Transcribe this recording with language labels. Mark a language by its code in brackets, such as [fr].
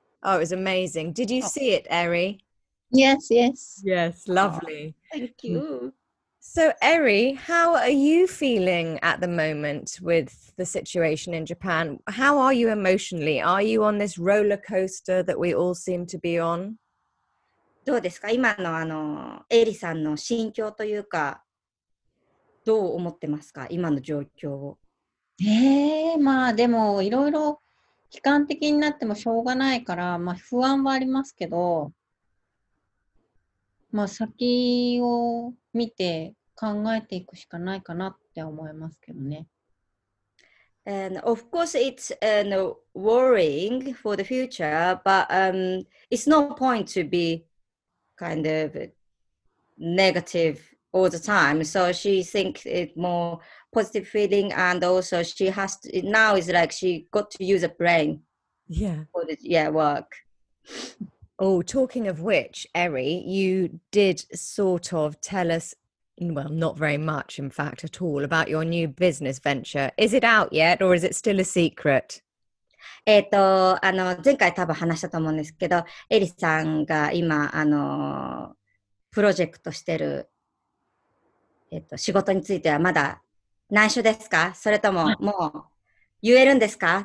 [en] Oh, it was amazing. Did you see it, Eri? Yes, yes. Yes, lovely. Oh, thank you. So, Eri, how are you feeling at the moment with the situation in Japan? How are you emotionally? Are you on this roller coaster that we all seem to be on? [ja] どうですか今のあのエリさんの心境というかどう思ってますか今の状況を。まあでもいろいろ悲観的になってもしょうがないから、まあ、不安はありますけど、まあ、先を見て考えていくしかないかなって思いますけどね。 [en] And of course, it's worrying for the future, but it's no point to beKind of negative all the time. So she thinks it more positive feeling, and also she has to, now is like she got to use a brain. Yeah. For the, yeah, work. Oh, talking of which, Eri, you did sort of tell us, well, not very much, in fact, at all, about your new business venture. Is it out yet, or is it still a secret? [ja] あの前回多分話したと思うんですけど、エリさんが今あのプロジェクトしてる、仕事についてはまだ内緒ですか？それとももう言えるんですか？